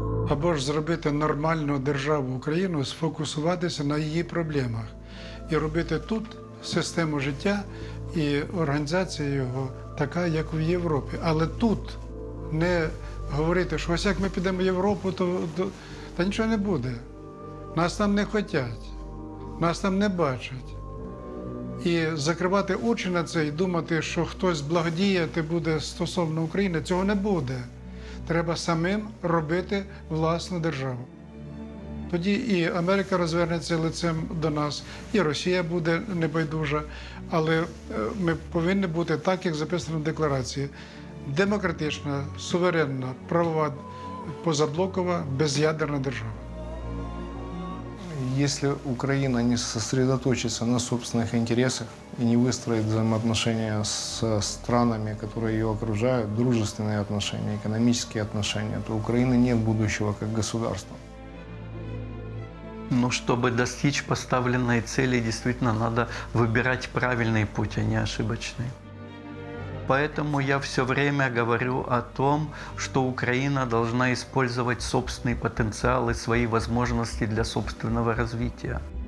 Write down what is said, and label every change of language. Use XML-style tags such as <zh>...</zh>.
<uk>Або ж зробити нормальну державу Україну, сфокусуватися на її проблемах і робити тут систему життя і організацію його така, як в Європі. Але тут не говорити, що ось як ми підемо в Європу, то нічого не буде. Нас там не хочуть, нас там не бачать. І закривати очі на це і думати, що хтось благодіяти буде стосовно України, цього не буде. Треба самим робити власну державу. Тоді і Америка розвернеться лицем до нас, і Росія буде небайдужа. Але ми повинні бути так, як записано в декларації. Демократична, суверенна, правова, позаблокова, без'ядерна держава. Якщо Україна не зосередоточиться на собственних інтересах і не вистроїть взаємоотношення з странами, які її окружають, дружественні отношения, економічні отношения, то України</uk> <ru>не будущего як государства. Ну, чтобы достичь поставленной цели, действительно, надо выбирать правильный путь, а не ошибочный. Поэтому я все время говорю о том, что Украина должна использовать собственный потенциал и свои возможности для собственного развития.</ru>